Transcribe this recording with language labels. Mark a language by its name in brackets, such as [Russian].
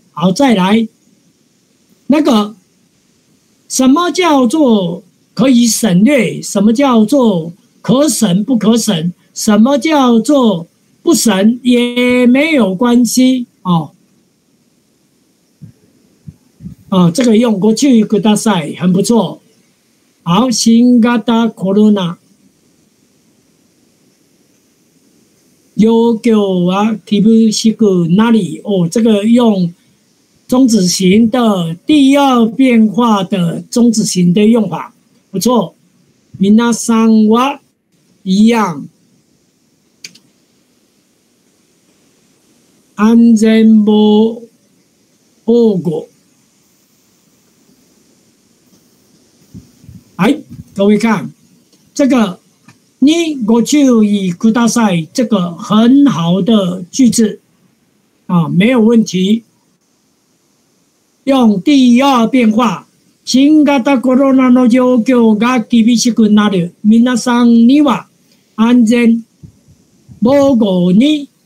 [Chinese] 好，再来，那个什么叫做可以省略，什么叫做可省不可省，什么叫做？不省也没有关系哦。哦，这个用过去给大赛很不错。 [Japanese] 好，新型コロナ状況は厳しくなり。 [Chinese] 哦，这个用中止型的第二变化的中止型的用法，不错。 [Japanese] 皆さんは一样。安全防護。 [Chinese] 哎，各位看，这个你ご注意ください，这个很好的句子啊，没有问题。 [Japanese] 用第二变化，新型コロナの状況が厳しくなる。皆さんには安全防護に